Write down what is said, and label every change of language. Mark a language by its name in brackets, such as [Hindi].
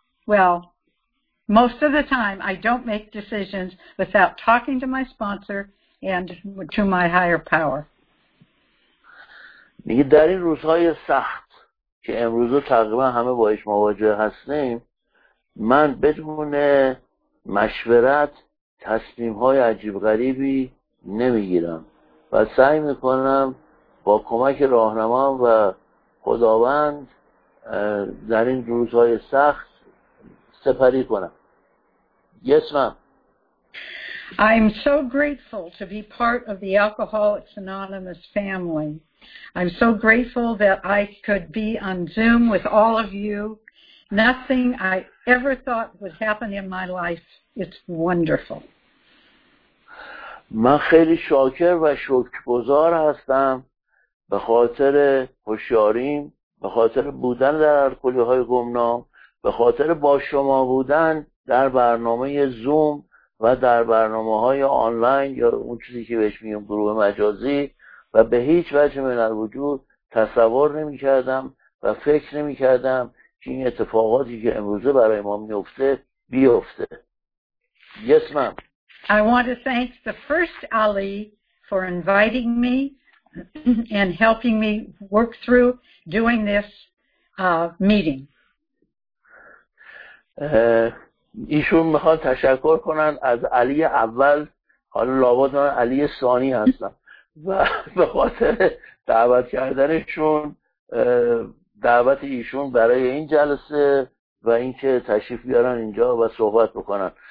[English] Well, most of the time, I don't make decisions without talking to my sponsor and to my higher power. [Persian] میگه در این روزهای سخت که امروز تقریبا همه باهاش مواجه هستیم، من بدون مشورت تصمیم‌های عجیب غریبی نمیگیرم و سعی میکنم با کمک راهنمام و خداوند در این روزهای سخت سپری کنم. [English] Yes, ma'am. I'm so grateful to be part of the Alcoholics Anonymous family. I'm so grateful that I could be on Zoom with all of you. Nothing I ever thought would happen in my life. It's wonderful. [Persian] من خیلی شاکر و شکرگزار هستم به خاطر هوشیاریم، به خاطر بودن در الکلی‌های گمنام، به خاطر با شما بودن در برنامه زوم و در برنامه‌های آنلاین یا اون چیزی که بهش میگیم گروه مجازی. و به هیچ وجه من در وجود تصور نمی‌کردم و فکر نمی‌کردم که این اتفاقاتی که امروزه برای ما میفته بیفته. [English] Yes, ma'am. I want to thank the first Ali for inviting me and helping me work through doing this meeting. [Persian] ایشون میخوان تشکر کنن از علی اول، حالا لابد من علی ثانی هستم، و به خاطر دعوت کردنشون، دعوت ایشون برای این جلسه و اینکه تشریف بیارن اینجا و صحبت بکنن.